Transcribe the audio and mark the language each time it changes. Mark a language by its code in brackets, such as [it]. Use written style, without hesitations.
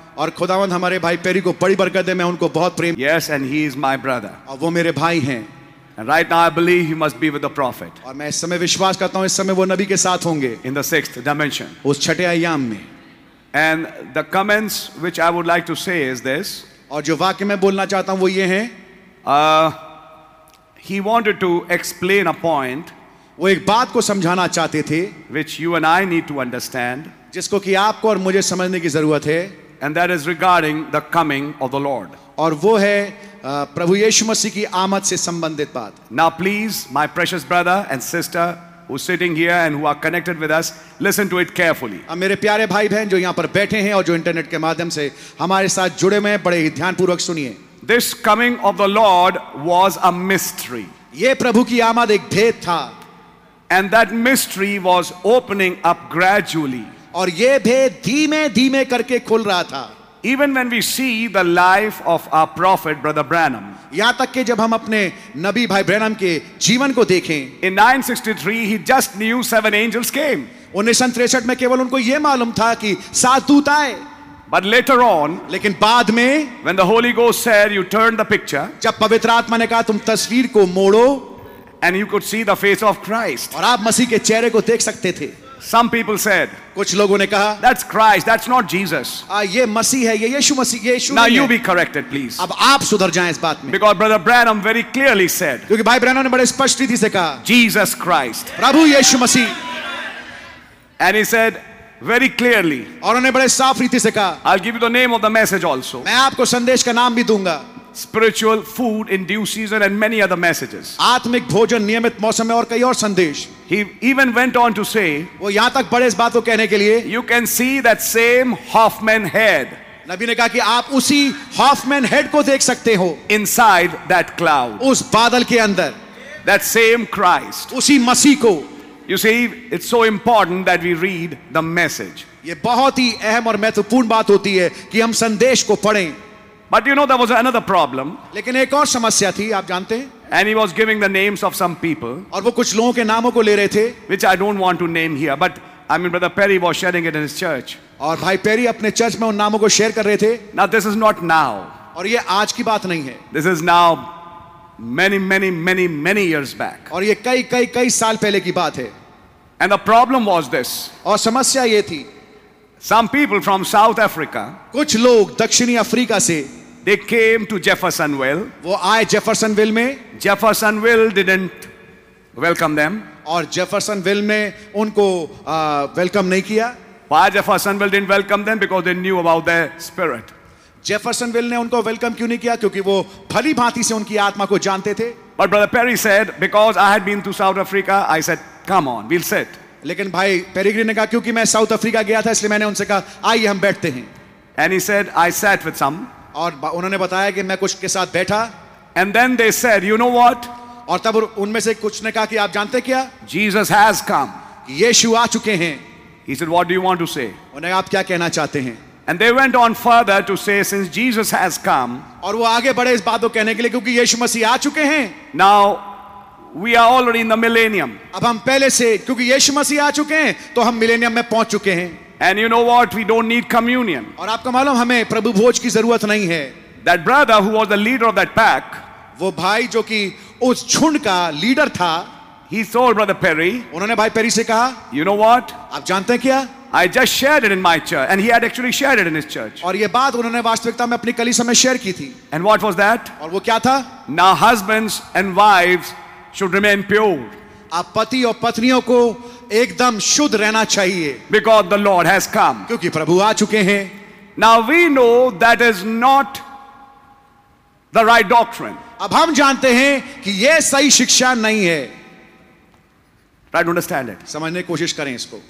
[hi] और खुदावंद हमारे भाई पेरी को बड़ी बरकत दे, मैं उनको बहुत प्रेम. [en] Yes, and he is my brother. [hi] और वो मेरे भाई हैं. [en] And right now I believe he must be with the prophet. [hi] और मैं इस समय विश्वास करता हूँ इस समय वो नबी के साथ होंगे. [en] In the sixth dimension. [hi] उस छठे आयाम में. [en] And the comments which I would like to say is this. [hi] और जो वाक्य मैं बोलना चाहता हूँ वो ये हैं. [en] He wanted to explain a point. [hi] वो एक बात को समझाना चाहते थे. [en] Which you and I need to understand. [hi] जिसको कि आपको और मुझे समझने की जरूरत है. [en] And that is regarding the coming of the Lord. [hi] और वो है प्रभु यीशु मसीह की आमद से संबंधित बात. [en] Now please, my precious brother and sister who's sitting here and who are connected with us, listen to it carefully. [hi] अब मेरे प्यारे भाई बहन जो यहाँ पर बैठे हैं और जो इंटरनेट के माध्यम से हमारे साथ जुड़े हुए हैं, बड़े ही ध्यानपूर्वक सुनिए. [en] This coming of the Lord was a mystery. [hi] ये प्रभु की आमद एक भेद था. [en] And that mystery was opening up gradually. [hi] और ये भेद धीमे धीमे करके खुल रहा था. [en] Even when we see the life of our prophet, Brother Branham. [hi] यहां तक कि जब हम अपने नबी भाई ब्रैनम के जीवन को देखें. [en] In 963, he just knew seven angels came. [hi] 1963 में केवल उनको ये मालूम था कि सात दूत आए. [en] But later on, [hi] लेकिन बाद में, [en] when the Holy Ghost said, you turn the picture. [hi] जब पवित्र आत्मा ने कहा तुम तस्वीर को मोड़ो. [en] And you could see the face of Christ. [hi] और आप मसीह के चेहरे को देख सकते थे. [en] Some people said, [hi] कुछ लोगों ने कहा, [en] that's Christ, that's not Jesus. [hi] ये मसीह है, ये यीशु मसीह, ये यीशु. [en] Now you be corrected, please. [hi] अब आप सुधर जाएं इस बात में. [en] Because Brother Branham very clearly said, [hi] क्योंकि भाई ब्रैनम ने बड़े स्पष्ट रीति से कहा, [en] Jesus Christ, [hi] Prabhu Yeshu Masih. [en] And he said very clearly, [hi] और उन्होंने बड़े साफ रीति से कहा, [en] I'll give you the name of the message also. [hi] मैं आपको संदेश का नाम भी दूंगा. [en] Spiritual food in due season and many other messages. [hi] आत्मिक भोजन नियमित मौसम में और कई और संदेश. [en] He even went on to say, [hi] वो यहाँ तक बड़े इस बात को कहने के लिए, [en] you can see that same Hoffman head. [hi] नबी ने कहा कि आप उसी Hoffman head को देख सकते हो. [en] Inside that cloud. [hi] उस बादल के अंदर. [en] That same Christ. [hi] उसी मसीह को. [en] You see, it's so important that we read the message. [hi] ये बहुत ही अहम और महत्वपूर्ण बात होती है कि हम संदेश को पढ़ें. [en] But you know there was another problem. [hi] लेकिन एक और समस्या थी आप जानते हैं. [en] And he was giving the names of some people. [hi] और वो कुछ लोगों के नामों को ले रहे थे. [en] Which I don't want to name here, but I mean Brother Perry was sharing it in his church. [hi] और भाई पेरी अपने चर्च में उन नामों को शेयर कर रहे थे. [en] Now this is not now. [hi] और ये आज की बात नहीं है. [en] This is now many, many, many, many years back. [hi] और ये कई कई कई साल पहले की बात है. [en] And the problem was this. [hi] और समस्या ये थी. [en] Some people from South Africa. [hi] कुछ लोग दक्षिणी अफ्रीका से. [en] They came to Jeffersonville. [hi] वो आए Jeffersonville में. [en] Jeffersonville didn't welcome them. [hi] और Jeffersonville में उनको welcome नहीं किया. [en] Why Jeffersonville didn't welcome them? Because they knew about their spirit. [hi] Jeffersonville ने उनको welcome क्यों नहीं किया? क्योंकि वो भली भांति से उनकी आत्मा को जानते थे. [en] But Brother Perry said, because I had been to South Africa, I said, come on, we'll sit. [hi] लेकिन भाई Peregrine ने कहा क्योंकि मैं South Africa गया था इसलिए मैंने उनसे कहा आइए हम बैठते हैं. [en] And he said, I sat with some. [hi] और उन्होंने बताया कि मैं कुछ के साथ बैठा. [en] And then they said you know what. [hi] और तब उनमें से कुछ ने कहा कि आप जानते क्या, [en] Jesus has come, [hi] यीशु आ चुके हैं. [en] he said what do you want to say, [hi] उन्हें आप क्या कहना चाहते हैं. [en] And they went on further to say since Jesus has come. [hi] और वो आगे बढ़े इस बात को कहने के लिए क्योंकि यीशु मसीह आ चुके हैं. [en] Now we are already in the millennium. [hi] अब हम पहले से क्योंकि यीशु मसीह आ चुके हैं तो हम मिलेनियम में पहुंच चुके हैं. [en] And you know what? We don't need communion. [hi] और आपको मालूम हमें प्रभु भोज की जरूरत नहीं है. [en] That brother who was the leader of that pack, [hi] वो भाई जो कि उस झुंड का लीडर था, [en] he told Brother Perry, [hi] उन्होंने भाई पेरी से कहा, [en] you know what? [hi] आप जानते हैं क्या? [en] I just shared it in my church, and he had actually shared it in his church. [hi] और ये बात उन्होंने वास्तविकता में अपनी कलीसिया में शेयर की थी. [en] And what was that? [hi] और वो क्या था? [en] Now husbands and wives should remain pure. [hi] आप पति और पत्नियों को एकदम शुद्ध रहना चाहिए. [en] Because the Lord has come. [hi] क्योंकि प्रभु आ चुके हैं. [en] Now we know that is not the right doctrine. [hi] अब हम जानते हैं कि यह सही शिक्षा नहीं है. [en] Try to understand it. [hi] समझने की कोशिश करें इसको.